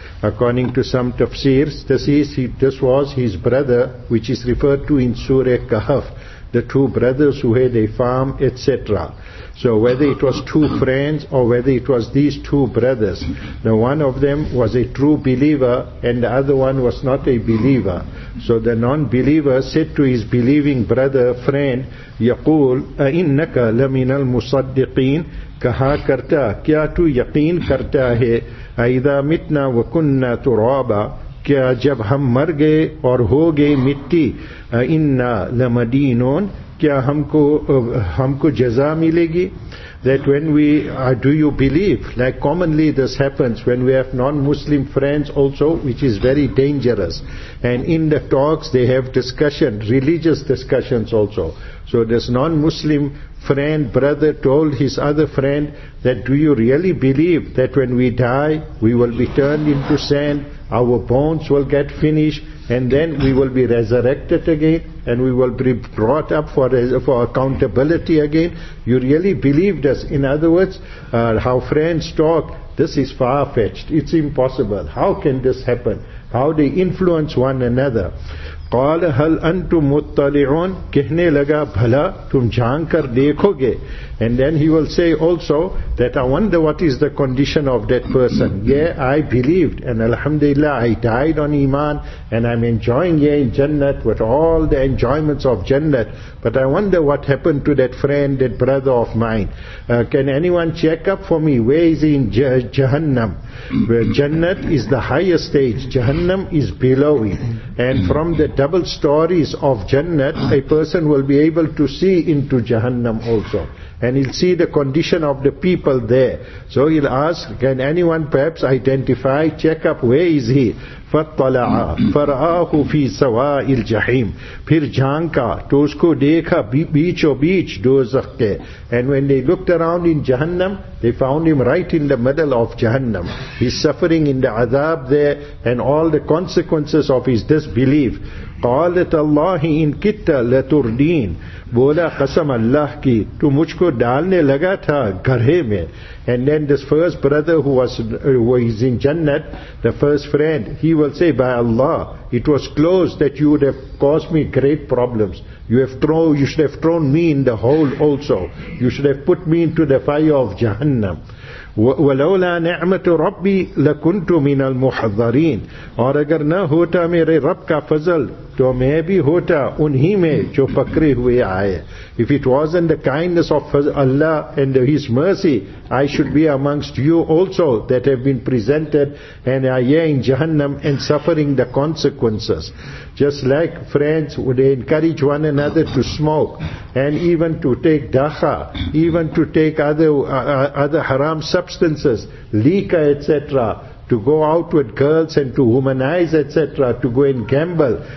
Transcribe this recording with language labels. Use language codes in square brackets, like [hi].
[en] According to some tafsirs, this was his brother, which is referred to in Surah Kahf, the two brothers who had a farm, etc. So whether it was two friends or whether it was these two brothers, the one of them was a true believer and the other one was not a believer. So the non-believer said to his believing brother, friend, [ar] يقول أئنك لمن المصدقين [ur] كها كرتا كيا تو يقين كرتا هي [ar] أئذا متنا وكنا ترابا [ur] كيا جب هم مر گئے اور ہو گئے مٹی [ar] أئنا لمدينون. [ur] Kya humko jaza milegi? [en] That when we do you believe, like commonly this happens when we have non-Muslim friends also, which is very dangerous, and in the talks they have discussion, religious discussions also. So this non-Muslim friend brother told his other friend that, do you really believe that when we die we will be turned into sand, our bones will get finished, and then we will be resurrected again and we will be brought up for accountability again? You really believed us? In other words, how friends talk, this is far-fetched, it's impossible. How can this happen? How they influence one another? [ar] قال هل انتم مطلعون. [ur] کہنے لگا بھلا تم جان کر دیکھو گے. [en] And then he will say also that, I wonder what is the condition of that person. Yeah, I believed and alhamdulillah I died on iman and I'm enjoying here in Jannat with all the enjoyments of Jannat, but I wonder what happened to that friend, that brother of mine. Can anyone check up for me, where is he in Jahannam? Where Jannat is the highest stage, Jahannam is below it. And from the double stories of Jannat, a person will be able to see into Jahannam also. And he'll see the condition of the people there. So he'll ask, can anyone perhaps identify, check up, where is he? [ar] فَطَّلَعَا فَرَآهُ فِي سَوَاءِ الْجَحِيمِ. [ur] پھر جھانکا تو اس کو دیکھا بیچ و بیچ دوزخ کے. [en] And when they looked around in Jahannam, they found him right in the middle of Jahannam. He's suffering in the azab there and all the consequences of his disbelief. [ar] قَالَتَ اللَّهِ إِن كِتَّ لَتُرْدِينَ. [ur] بولا قسم اللہ کی تو مجھ کو ڈالنے لگا تھا گھرے میں. [en] And then this first brother who is in Jannat, the first friend, he will say, by Allah, it was close that you would have caused me great problems. You should have thrown me in the hole also. You should have put me into the fire of Jahannam. [ar] وَلَوْلَا نِعْمَةُ رَبِّي لَكُنْتُ مِنَ الْمُحَذَّرِينَ. [ur] اور اگر نہ ہوتا میرے رب کا فضل تو میں بھی ہوتا انہی میں جو پکرے ہوئے آئے. [en] If it wasn't the kindness of Allah and His mercy, I should be amongst you also that have been presented and are here in Jahannam and suffering the consequences. Just like friends would encourage one another to smoke and even to take dakha, even to take other haram substances, lika, etc., to go out with girls and to womanize, etc., to go and gamble.